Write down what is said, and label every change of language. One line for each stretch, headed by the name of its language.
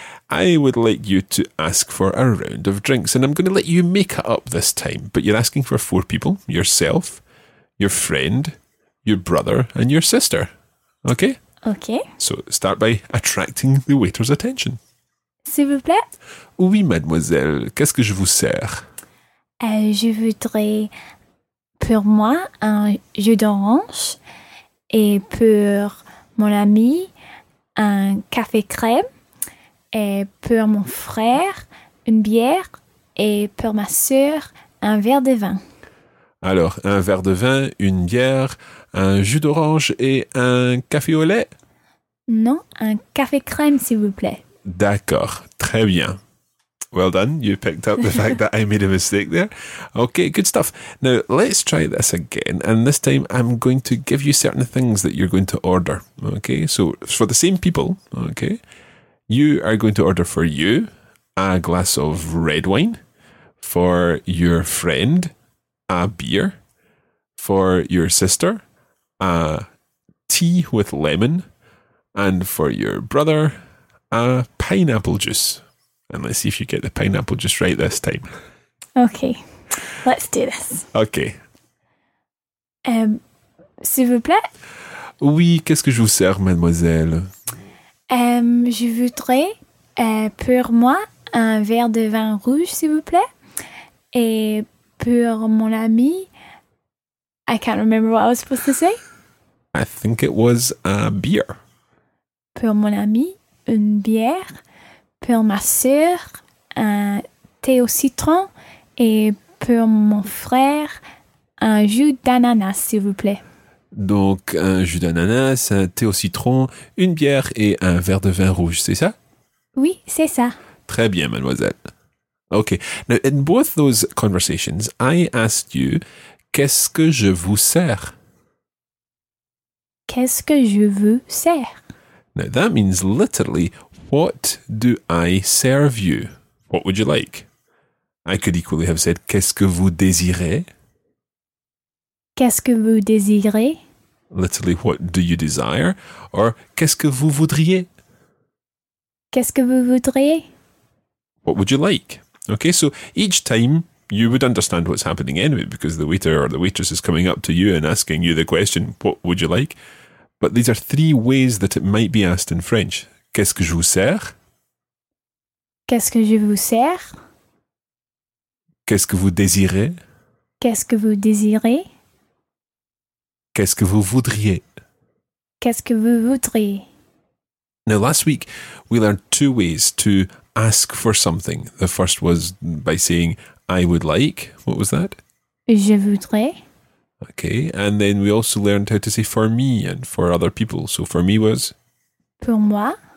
English: I would like you to ask for a round of drinks, and I'm going to let you make it up this time, but you're asking for four people: yourself, your friend, your brother, and your sister. Okay? Okay. So start by attracting the waiter's attention.
French: S'il vous plaît. Oui, mademoiselle. Qu'est-ce que je vous sers? Je voudrais pour moi un jus d'orange et pour mon ami un café crème. Et pour mon frère, une bière. Et pour ma sœur, un verre de vin. Alors, un verre de vin, une bière, un jus d'orange et un café au lait? Non, un café crème, s'il vous plaît. D'accord, très bien.
English: Well done, you picked up the fact that I made a mistake there. Okay, good stuff. Now, let's try this again. And this time, I'm going to give you certain things that you're going to order. Okay, so for the same people, okay... You are going to order for you a glass of red wine, for your friend a beer, for your sister a tea with lemon, and for your brother a pineapple juice. And let's see if you get the pineapple juice right this time. Okay, let's do this. Okay.
French: S'il vous plaît? Oui, qu'est-ce que je vous sers, mademoiselle? Je voudrais pour moi un verre de vin rouge, s'il vous plaît. Et pour mon ami,
English: I can't remember what I was supposed to say. I think it was a beer.
French: Pour mon ami, une bière. Pour ma sœur, un thé au citron. Et pour mon frère, un jus d'ananas, s'il vous plaît. Donc, un jus d'ananas, un thé au citron, une bière et un verre de vin rouge, c'est ça? Oui, c'est ça. Très bien, mademoiselle.
English: Okay. Now, in both those conversations, I asked you,
French: qu'est-ce que je vous sers? Qu'est-ce que je vous sers?
English: Now, that means literally, what do I serve you? What would you like? I could equally have said,
French: qu'est-ce que vous désirez? Qu'est-ce que vous désirez?
English: Literally, what do you desire?
French: Or, qu'est-ce que vous voudriez? Qu'est-ce que vous voudriez?
English: What would you like? Okay, so each time you would understand what's happening anyway because the waiter or the waitress is coming up to you and asking you the question, what would you like? But these are three ways that it might be asked in French.
French: Qu'est-ce que je vous sers? Qu'est-ce que je vous sers? Qu'est-ce que vous désirez? Qu'est-ce que vous désirez? Qu'est-ce que vous voudriez? Qu'est-ce que vous voudriez?
English: Now, last week, we learned two ways to ask for something. The first was by saying, I would like. What was that?
French: Je voudrais.
English: Okay, and then we also learned how to say for me and for other people. So for me was?
French: Pour moi.